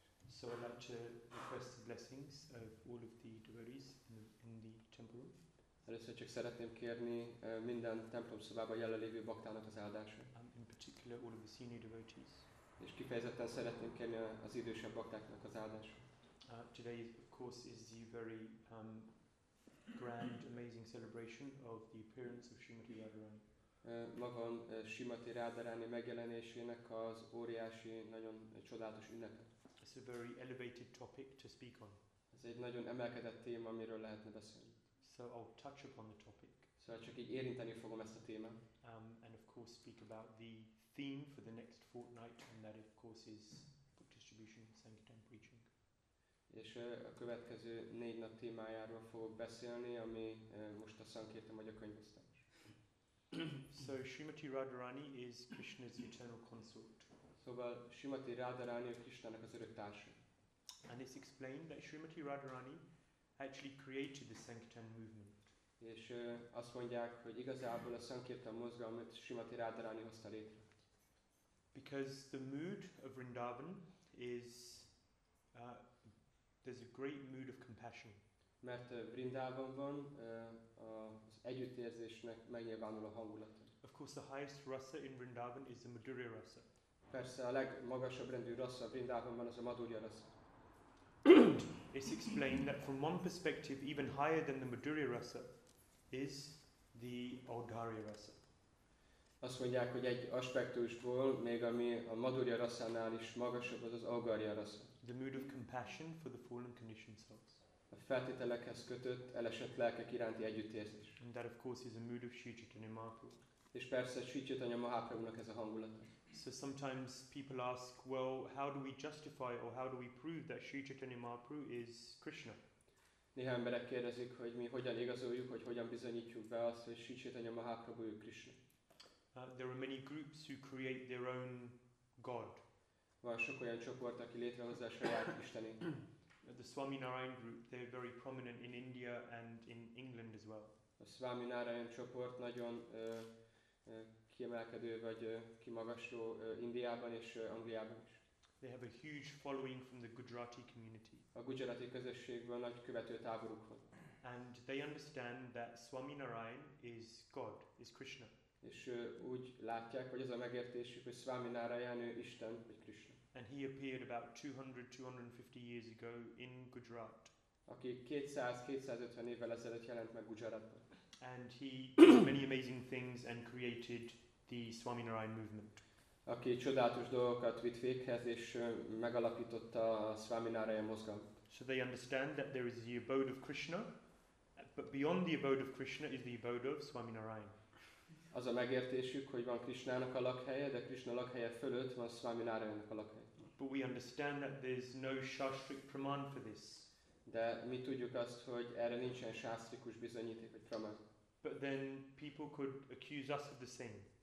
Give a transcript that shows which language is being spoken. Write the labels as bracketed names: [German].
[English] So I'd like to request the blessings of all of the devotees in the temple room. [Hungarian] Először csak szeretném kérni minden templom szobában jelenlévő baktának az áldását. [English] In particular all of the senior devotees. [Hungarian] És kifejezetten szeretném kérni az idősebb baktáknak az áldását. [English] Today of course is the very grand amazing celebration of the appearance of Srimati Radharani. [Hungarian] Magon Srimati Radharani megjelenésének az óriási nagyon csodálatos ünnepe. [English] It's a very elevated topic to speak on. [Hungarian] Ez egy nagyon emelkedett téma, amiről lehetne beszélni. [English] So I'll touch upon the topic. [Hungarian] Szóval csak így érinteni fogom ezt a témát. [English] And of course speak about the theme for the next fortnight, and that of course is book distribution, sankirtan preaching. [Hungarian] És a következő négy nap témájáról fogok beszélni, ami most a szankirtan vagy a könyvosztás. [English] So Srimati Radharani is Krishna's eternal consort. [Hungarian] Szóval Srimati Radharani a Krishnának az örök társa. [English] And it's explained that Srimati Radharani actually created the sankirtan movement. [Hungarian] És azt mondják, hogy igazából a szankirtan mozgalmat Srimati Radharani hozta létre. [English] Because the mood of Vrindavan is there's a great mood of compassion. [Hungarian] Mert Vrindavan van az együttérzésnek megnyilvánuló hangulata. [English] Of course the highest rasa in Vrindavan is the Madhurya rasa. [Hungarian] Persze a legmagasabb rendű rasa Vrindavanban az a Madhurya rasa. [English] It's explained that from one perspective even higher than the Madhurya rasa is the Audharya rasa. [Hungarian] Azt mondják, hogy egy aspektusból, még ami a Madhurya rasánál is magasabb, az az Audharya rasa. [English] The mood of compassion for the fallen conditioned souls. [Hungarian] A feltételekhez kötött, elesett lelkek iránti együttérzés. [English] And that of course is a mood of Sri Chaitanya Mahaprabhu. [Hungarian] És persze Sri Chaitanya Mahaprabhunak ez a hangulata. [English] So sometimes people ask, well, how do we justify or how do we prove that Sri Chaitanya Mahaprabhu is Krishna? [Hungarian] Néha emberek kérdezik, hogy mi hogyan igazoljuk, hogy hogyan bizonyítjuk be azt, hogy Sri Chaitanya Mahaprabhu ő Krishna. [English] There are many groups who create their own god. [Hungarian] Van sok olyan csoport, aki létrehozza a saját istenét. [English] The Swaminarayan group, they're very prominent in India and in England as well. [Hungarian] A Swaminarayan csoport nagyon kiemelkedő vagy kimagasló Indiában és Angliában is. [English] They have a huge following from the Gujarati community. [Hungarian] A Gujarati közösségben nagy követő táboruk van. [English] and they understand that Swami Narayan is God, is Krishna. [Hungarian] És úgy látják, hogy az a megértésük, hogy Swami Narayan ő Isten, vagy Krishna. [English] And he appeared about 200-250 years ago in Gujarat. [Hungarian] Aki 200-250 évvel ezelőtt jelent meg Gujaratban. [English] And he did many amazing things and created the Swami Narayan movement. [Hungarian] Aki csodálatos dolgokat vitt véghez és megalapította a Swami Narayan mozgalmat. [English] So they understand that there is the abode of Krishna, but beyond the abode of Krishna is the abode of Swami Narayan. [Hungarian] Az a megértésük, hogy van Krishnának a lakhelye, de Krishna lakhelye fölött van Swami Narayannak a lakhelye. [English] But we understand that there's no shastric praman for this. [Hungarian] De mi tudjuk azt, hogy erre nincsen sásztrikus bizonyíték, vagy praman. [English] But then people could accuse us of the same.